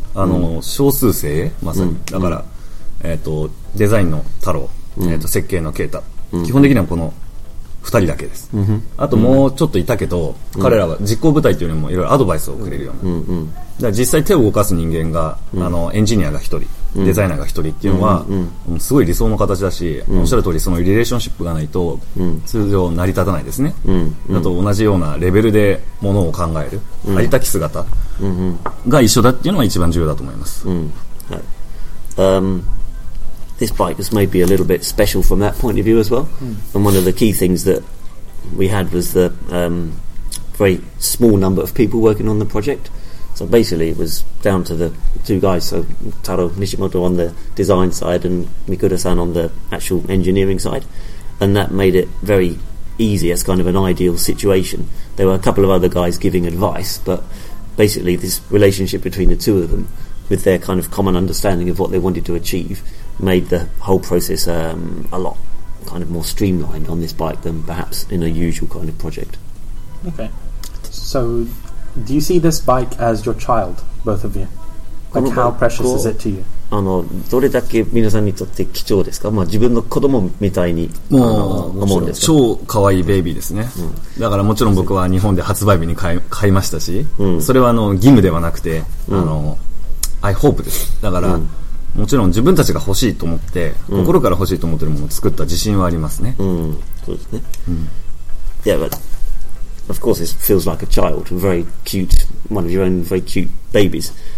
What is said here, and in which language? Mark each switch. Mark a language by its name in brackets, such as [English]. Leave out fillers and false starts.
[Japanese] あの少数精鋭まさに、だから、デザインの太郎、設計の啓太、基本的にはこの2人だけです、あともうちょっといたけど、彼らは実行部隊というよりもいろいろアドバイスをくれるような、だから実際手を動かす人間が、あのエンジニアが1人、デザイナーが1人っていうのは、すごい理想の形だし、おっしゃる通りそのリレーションシップがないと通常成り立たないですね。だと同じようなレベルでものを考える、ありたき姿が一緒だっていうのが一番重要だと思います、はい。 [English] This bike is maybe a little bit special from that point of view as well. And one of the key things that we had was the very small number of people working on the project. So basically it was down to the two guys, so Taro Nishimoto on the design side and Mikuda-san on the actual engineering side. And that made it very easy as kind of an ideal situation. There were a couple of other guys giving advice, but basically this relationship between the two of them with their kind of common understanding of what they wanted to achieve made the whole process a lot kind of more streamlined on this bike than perhaps in a usual kind of project. Okay. So do you see this bike as your child, both of you? Like how precious is it to you? [Japanese] あのどれだけ皆さんにとって貴重ですか、まあ、自分の子供みたいに思うんですか。超かわいいベイビーですね、だからもちろん僕は日本で発売日に買いましたし、それはあの義務ではなくて、あの、 [English] I hope [Japanese] です。だから、もちろん自分たちが欲しいと思って、心から欲しいと思っているものを作った自信はありますね。そうですね。 [English] Yeah, but of course it feels like a child, very cute, one of your own very cute babies.